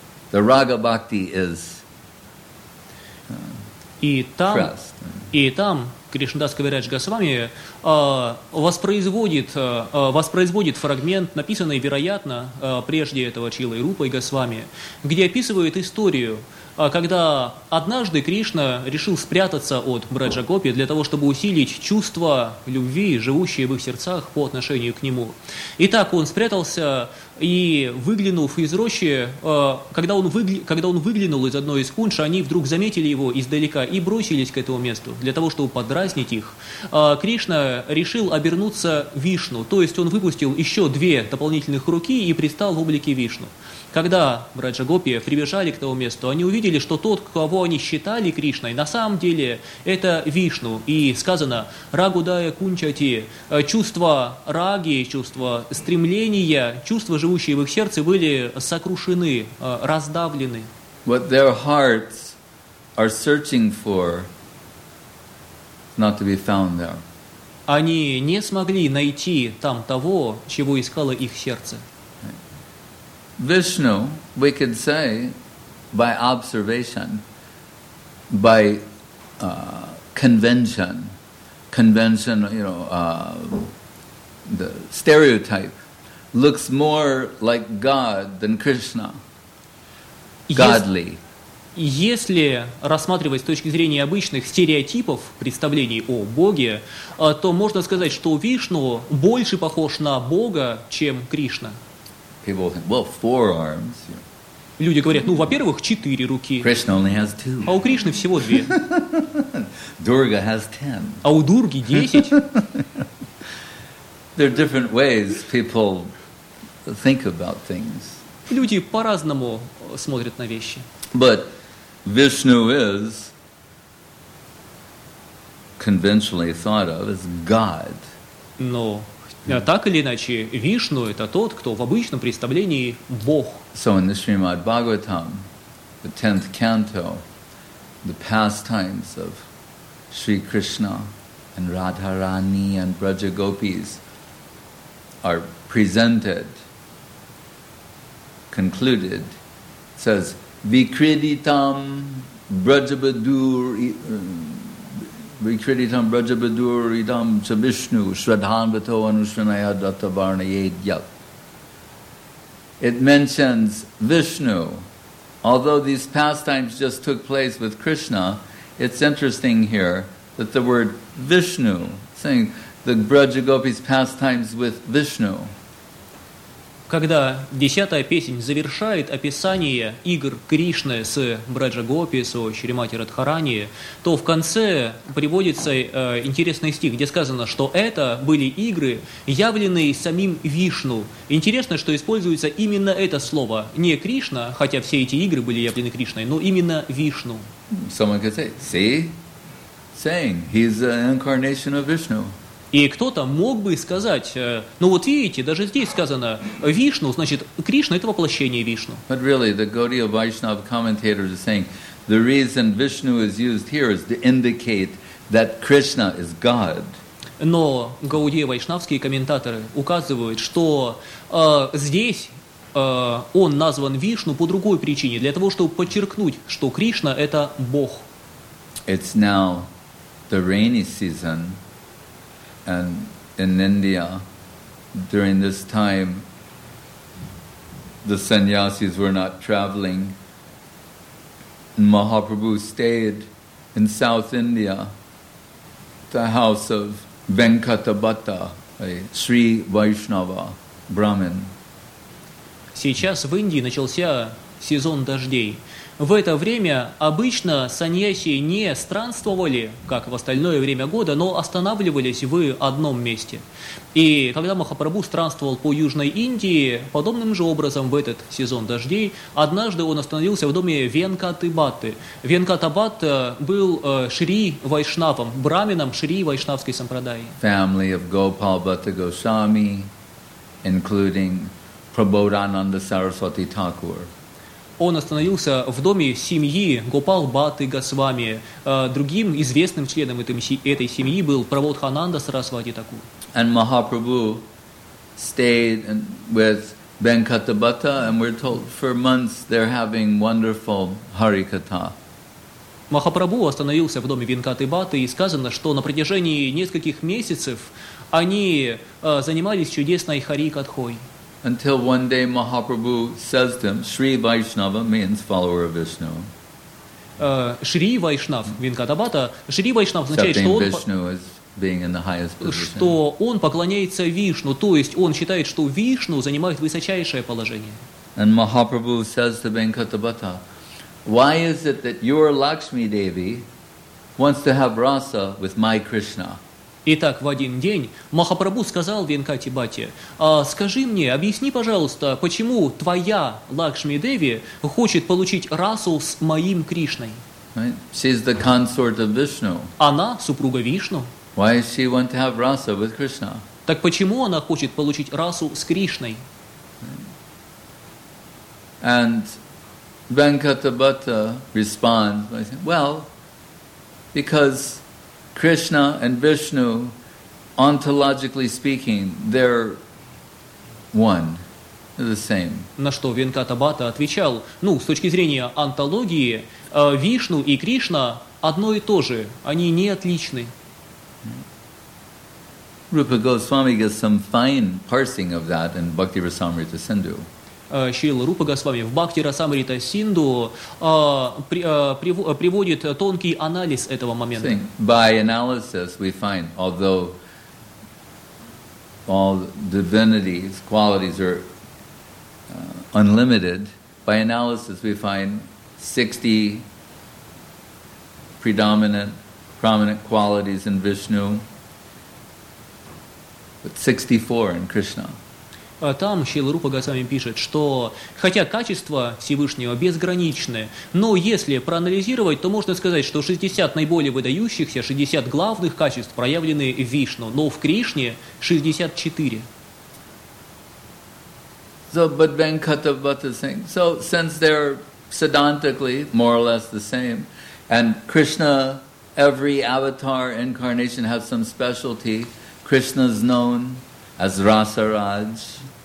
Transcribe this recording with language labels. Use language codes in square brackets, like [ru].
[en] The raga bhakti is crushed. [ru] И там Кришнадас Кавирадж Госвами воспроизводит фрагмент, написанный, вероятно, прежде этого Чилой Рупой Госвами, где описывает историю, когда однажды Кришна решил спрятаться от Браджа-гопи для того, чтобы усилить чувства любви, живущие в их сердцах по отношению к нему. И так он спрятался и, выглянув из рощи, когда он выглянул из одной из кунш, они вдруг заметили его издалека и бросились к этому месту для того, чтобы подразнить их. Кришна решил обернуться Вишну, то есть он выпустил еще две дополнительных руки и предстал в облике Вишну. Когда Браджа-гопи прибежали к тому месту, они увидели, что тот, кого они считали Кришной, на самом деле это Вишну. И сказано «Рагудая кунчати» – чувства раги, чувства стремления, чувства, живущие в их сердце, были сокрушены, раздавлены. [en] What their hearts are searching for not to be found there. [ru] Они не смогли найти там того, чего искало их сердце. [en] Vishnu, we could say, by observation, by convention, you know, the stereotype, looks more like God than Krishna, godly. [ru] Если рассматривать с точки зрения обычных стереотипов представлений о Боге, то можно сказать, что Вишну больше похож на Бога, чем Кришна. [en] People think, well, four arms. [ru] Люди говорят, ну, во-первых, четыре руки. [en] Krishna only has two. [ru] А у Кришны всего две. [en] Durga has ten. [ru] А у Дурги десять. [en] There are different ways people think about things. [ru] Люди по-разному смотрят на вещи. [en] But Vishnu is conventionally thought of as God. [ru] Но так или иначе, Вишну – это тот, кто в обычном представлении – Бог. [en] So in the Srimad Bhagavatam, the 10th canto, the pastimes of Sri Krishna and Radharani and Braja Gopis are presented, concluded, it says, [sa] Vikriditam Brajabaduridam Chavishnu Shradhanvato Anushranaya Dattavarnayed Yat. [en] It mentions Vishnu. Although these pastimes just took place with Krishna, it's interesting here that the word Vishnu, saying the Brajagopi's pastimes with Vishnu, [ru] когда десятая песнь завершает описание игр Кришны с Браджа-гопи, со Шримати Радхарани, то в конце приводится интересный стих, где сказано, что это были игры, явленные самим Вишну. Интересно, что используется именно это слово, не Кришна, хотя все эти игры были явлены Кришной, но именно Вишну. [en] Someone could say, see, saying, he's the incarnation of Vishnu. [ru] И кто-то мог бы сказать, ну вот видите, даже здесь сказано Вишну, значит, Кришна — это воплощение Вишну. [en] But really, the Gaudiya Vaishnava commentators are saying, the reason Vishnu is used here is to indicate that Krishna is God. [ru] Но Гаудия Вайшнавские комментаторы указывают, что здесь он назван Вишну по другой причине, для того, чтобы подчеркнуть, что Кришна — это Бог. [en] It's now the rainy season. And in India, during this time, the sannyasis were not traveling. Mahaprabhu stayed in South India, the house of Venkata Bhatta, a Sri Vaishnava Brahmin. [ru] Сейчас в Индии начался сезон дождей. В это время обычно саньяси не странствовали, как в остальное время года, но останавливались в одном месте. И когда Махапрабху странствовал по Южной Индии, подобным же образом в этот сезон дождей, однажды он остановился в доме Венкаты Бхатты. Венката Бхатта был Шри Вайшнавом, брамином Шри Вайшнавской сампрадаи. [en] Family of Gopal Bhatta Goswami, including Prabodhananda Saraswati Thakur. [ru] Он остановился в доме семьи Гопал Бхатты Госвами. Другим известным членом этой семьи был Прабодхананда Сарасвати Такур. [en] And Mahaprabhu stayed with Venkata Bhatta, and we're told for months they're having wonderful harikatha. [ru] Махапрабху остановился в доме Венкаты Бхатты, и сказано, что на протяжении нескольких месяцев они занимались чудесной харикатхой. [en] Until one day Mahaprabhu says to him, Sri Vaishnava means follower of Vishnu. [ru] Shri Vaishnav, Venkata Bhatta, Shri Vaishnav означает, что он, [en] Vishnu is being in the highest position. [ru] Что он поклоняется Вишну, то есть он считает, что Вишну занимает высочайшее положение. [en] And Mahaprabhu says to Venkata Bhatta, why is it that your Lakshmi Devi wants to have rasa with my Krishna? [ru] Итак, в один день Махапрабху сказал Венкате Бхатте, скажи мне, объясни, пожалуйста, почему твоя Лакшми Деви хочет получить расу с моим Кришной? [en] Right. She's the consort of Vishnu. [ru] Она супруга Вишну. [en] Why does she want to have rasa with Krishna? [ru] Так почему она хочет получить расу с Кришной? [en] Right. And Venkata Bhatta responds, well, because Krishna and Vishnu, ontologically speaking, they're one, the same. [ru] На что Венката Бхатта отвечал, ну, с точки зрения онтологии, Вишну и Кришна одно и то же, они не отличны. [en] Rupa Goswami gives some fine parsing of that in Bhakti Rasamrita Sindhu. [ru] Шрила Рупа Госвами в Бхакти Расамрита Синду приводит тонкий анализ этого момента. [en] Saying, by analysis we find, although all divinity's qualities are unlimited, by analysis we find 60 prominent qualities in Vishnu, but 64 in Krishna. [ru] Там Шрила Рупа Госвами пишет, что хотя качества Всевышнего безграничны, но если проанализировать, то можно сказать, что 60 наиболее выдающихся, 60 главных качеств проявлены в Вишну, но в Кришне 64. [en] So, but Venkata Bhatta is saying, so since they're siddhantically more or less the same, and Krishna, every avatar incarnation has some specialty, Krishna's known as Rasaraj.